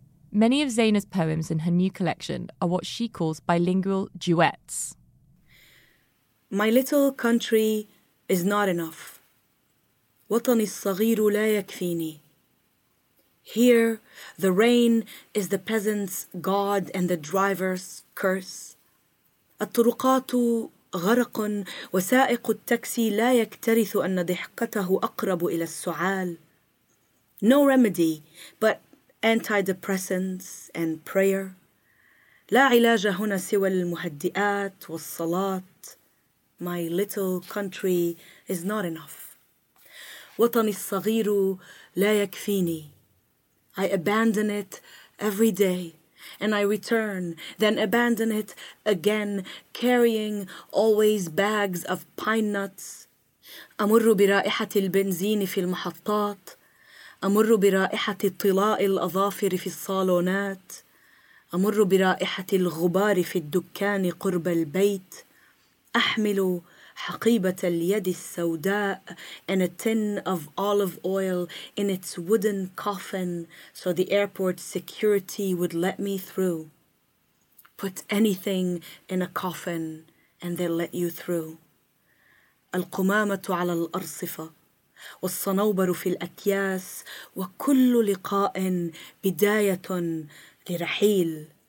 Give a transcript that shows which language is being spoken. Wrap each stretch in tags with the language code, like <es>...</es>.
<en>Many of Zaina's poems in her new collection are what she calls bilingual duets. My little country is not enough.</en> <ar>وطني الصغير لا يكفيني.</ar> <en>Here, the rain is the peasant's god and the driver's curse.</en> <ar>الطرقات غرق وسائق التاكسي لا يكترث أن ضحكته أقرب إلى السعال.</ar> <en>No remedy but antidepressants and prayer.</en> <ar>لا علاج هنا سوى المهدئات والصلاة.</ar> <en>My little country is not enough.</en> <ar>وطني الصغير لا يكفيني.</ar> <en>I abandon it every day and I return, then abandon it again, carrying always bags of pine nuts.</en> <ar>أمر برائحة البنزين في المحطات. أمر برائحة طلاء الأظافر في الصالونات أمر برائحة الغبار في الدكان قرب البيت أحمل حقيبة اليد السوداء</ar> <en>and a tin of olive oil in its wooden coffin so the airport security would let me through. Put anything in a coffin and they'll let you through.</en> <ar>القمامة على الأرصفة والصنوبر في الأكياس وكل لقاء بداية لرحيل.</ar>